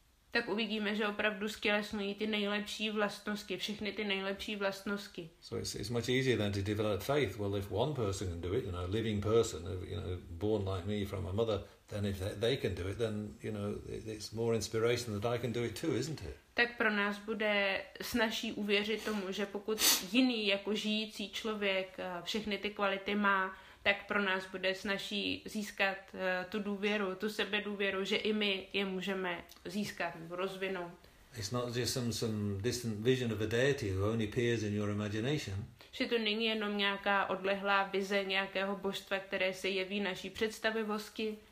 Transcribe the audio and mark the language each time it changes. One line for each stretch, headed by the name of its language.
Czech: Tak uvidíme, že opravdu stělesňují ty nejlepší vlastnosti, všechny ty nejlepší vlastnosti.
English: So it's much easier than to develop faith. Well, if one person can do it, you know, a living person, you know, born like me from my mother, then if they can do it, then, you know, it's more inspiration that I can do it too, isn't it?
Czech: Tak pro nás bude snazší uvěřit tomu, že pokud jiný jako žijící člověk všechny ty kvality má, tak pro nás bude snaží získat tu důvěru, tu sebedůvěru, že i my je můžeme získat, rozvinout.
English: It's not just some distant vision of a deity who only appears in your imagination.
Czech: Že to není jenom nějaká odlehlá vize nějakého božstva, které se jeví naší představivosti.